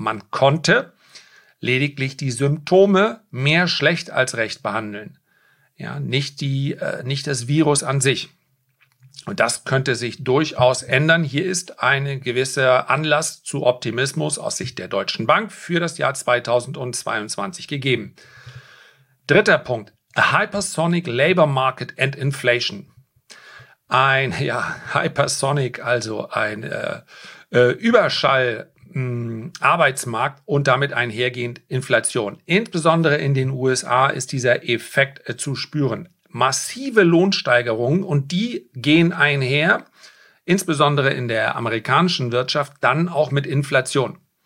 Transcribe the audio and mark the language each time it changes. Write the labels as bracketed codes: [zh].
[de] Man konnte lediglich die Symptome mehr schlecht als recht behandeln. Ja, nicht das Virus an sich. Und das könnte sich durchaus ändern. Hier ist ein gewisser Anlass zu Optimismus aus Sicht der Deutschen Bank für das Jahr 2022 gegeben. Dritter Punkt. [en] A hypersonic labor market and inflation. [de] Ein, ja, hypersonic, also ein Überschall Arbeitsmarkt und damit einhergehend Inflation. Insbesondere in den USA ist dieser Effekt zu spüren. Massive Lohnsteigerungen, und die gehen einher, insbesondere in der amerikanischen Wirtschaft, dann auch mit Inflation.